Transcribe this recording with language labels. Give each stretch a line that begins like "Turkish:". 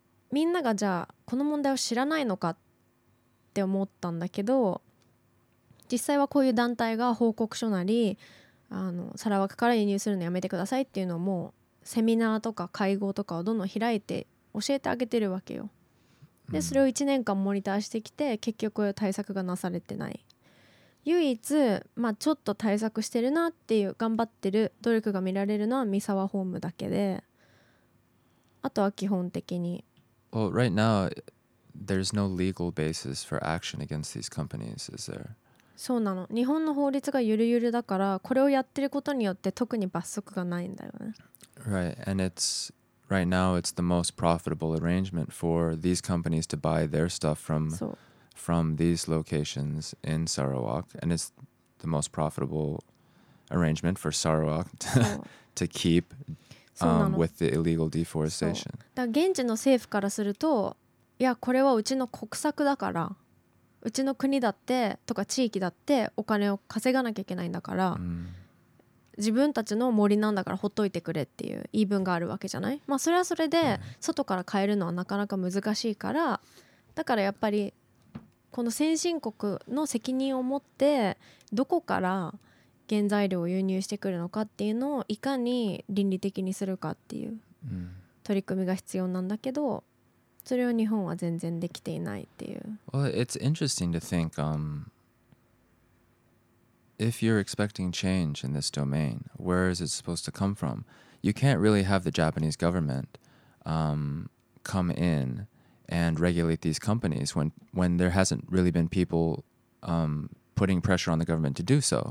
Japanese: みんながじゃあこの問題を知らないのかって思ったんだけど、実際はこういう団体が報告書なりあのサラワクから輸入するのやめてくださいっていうのもセミナーとか会合とかをどんどん開いて教えてあげてるわけよ。でそれを1年間モニターしてきて結局対策がなされてない。唯一、まあ、ちょっと対策してるなっていう頑張ってる努力が見られるのは三沢ホームだけで、あとは基本的に
English: Well, right now there's no legal basis for action against these companies, is there?
Japanese: そうなの、日本の法律がゆるゆるだからこれをやってることによって特に罰則がないんだよね。
English: Right, and it's right now it's the most profitable arrangement for these companies to buy their stuff from these locations in Sarawak, and it's the most profitable arrangement for Sarawak to keep with the illegal deforestation.
Japanese: だから現地の政府からすると、いやこれはうちの国策だから、うちの国だってとか地域だってお金を稼がなきゃいけないんだから、自分たちの森なんだからほっといてくれっていう言い分があるわけじゃない。まあそれはそれで外から変えるのはなかなか難しいから、だからやっぱりこの先進国の責任を持ってどこから原材料を輸入してくるのかっていうのをいかに倫理的にするかっていう取り組みが必要なんだけど、それを日本は全然できていないっていう。
English: Well, it's interesting to think if you're expecting change in this domain, where is it supposed to come from? You can't really have the Japanese government come in and regulate these companies when there hasn't really been people putting pressure on the government to do so.